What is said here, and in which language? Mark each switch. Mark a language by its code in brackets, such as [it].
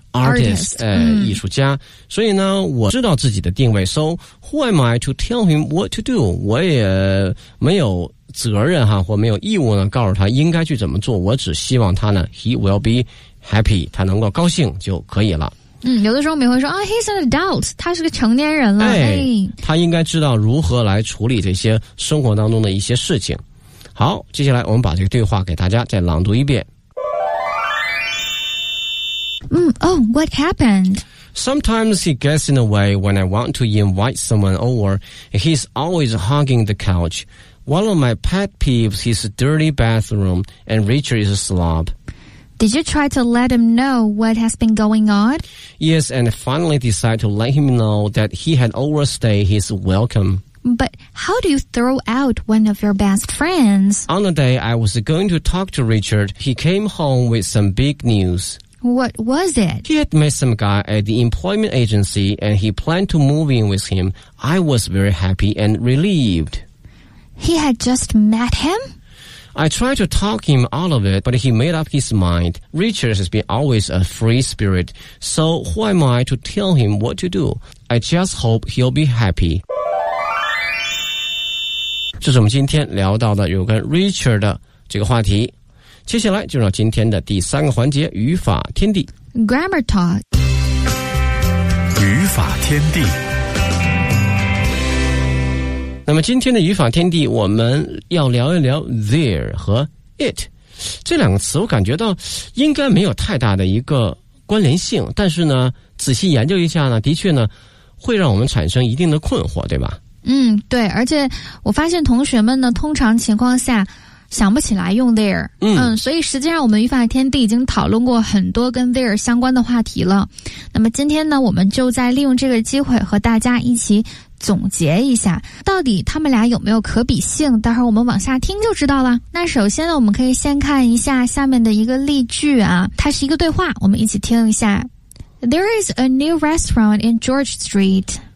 [zh] Artist， 艺术家。所以呢我知道自己的定位， [en] So who am I to tell him what to do， [zh] 我也没有责任哈，或没有义务呢告诉他应该去怎么做，我只希望他呢 [en] he will be happy， [zh] 他能够高兴就可以了。有的时候我们会说啊 ， [en] He's an adult， [zh] 他是个成年人了，他应该知道如何来处理这些生活当中的一些事情。好，接下来我们把这个对话给大家再朗读一遍。 [en] What happened? Sometimes he gets in the way when I want to invite someone over. He's always hugging the couch. One of my pet peeves is a dirty bathroom, and Richard is a slob. Did you try to let him know what has been going on? Yes, and I finally decided to let him know that he had overstayed his welcome. But how do you throw out one of your best friends? On the day I was going to talk to Richard, he came home with some big news. What was it? He had met some guy at the employment agency and he planned to move in with him. I was very happy and relieved. He had just met him? I tried to talk him out of it, but he made up his mind. Richard has been always a free spirit, so who am I to tell him what to do? I just hope he'll be happy. [zh] 这是我们今天聊到的有关 Richard 的这个话题，接下来就是今天的第三个环节，语法天地 [en] Grammar Talk。 [zh] 语法天地。那么今天的语法天地，我们要聊一聊 there 和 it 这两个词，我感觉到应该没有太大的一个关联性，但是呢，仔细研究一下呢，的确呢，会让我们产生一定的困惑，对吧？嗯，对，而且我发现同学们呢，通常情况下想不起来用 there，嗯，所以实际上我们语法天地已经讨论过很多跟 there 相关的话题了。那么今天呢，我们就再利用这个机会和大家一起总结一下，到底他们俩有没有可比性？待会儿我们往下听就知道了。那首先呢，我们可以先看一下下面的一个例句啊，它是一个对话，我们一起听一下。 [en] There is a new restaurant in George Street.